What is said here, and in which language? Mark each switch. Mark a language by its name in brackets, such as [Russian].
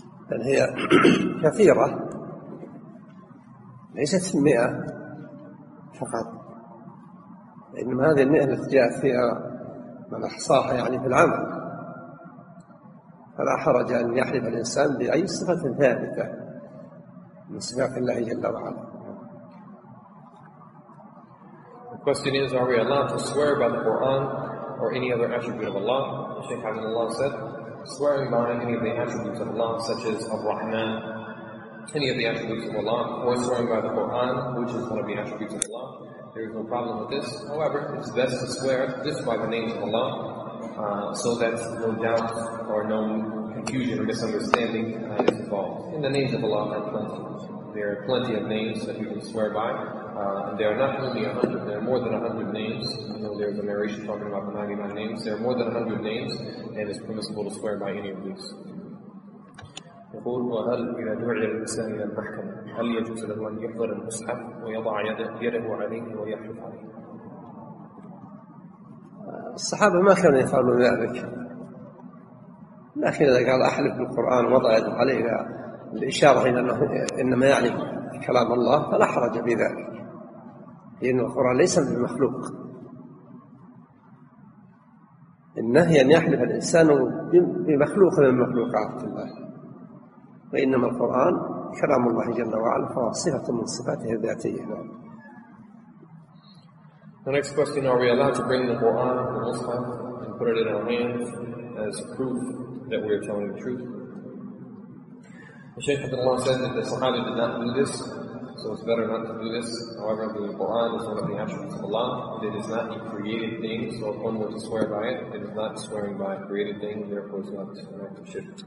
[Arabic] بل هي كثيرة، ليست 100 فقط، لأن هذه 100 التي جاءت فيها من أحصاها يعني في العمل، فلا حرج أن يحلف الإنسان بأي صفة ثابتة من صفات الله جل وعلا. [English] Question is, are we allowed to swear by the Qur'an or any other attribute of Allah? Shaykh Abdullah said, swearing by any of the attributes of Allah, such as Ar-Rahman, any of the attributes of Allah, or swearing by the Qur'an, which is one of the attributes of Allah, there is no problem with this. However, it's best to swear this by the names of Allah, so that no doubt or no confusion or misunderstanding is involved. In the names of Allah are plenty. There are plenty of names that you can swear by. There are not only 100, there are more than 100 names. I know there's a narration talking about the 99 names. There are more than 100 names, and it's permissible to swear by any of these. [Arabic] يقول وهل إذا دعي الإنسان إلى المحكمة هل يجوز له أن يحضر المصحف ويضع يده عليه ويحلف عليه؟ الصحابة ما كانوا يفعلون ذلك، لكن إذا قال أحلف بالقرآن وضع يده عليه الإشارة إلى أنه إنما يعني كلام الله فلا حرج بذلك، لأن القرآن ليس بمخلوق. النهي أن يحلف الإنسان بمخلوق من مخلوقات الله، وإنما القرآن كلام الله جل وعلا فهو صفة من صفاته الذاتية. [English] The next question, are we allowed to bring the Quran in the Muslim and put it in our hands as proof that we are telling the truth? Shaykh Abdullah said that the Sahaba did not do this, so it's better not to do this. However, the Qur'an is one of the attributes of Allah. It is not a created thing, so if one were to swear by it, it is not swearing by a created thing, therefore it's not an act of shirk.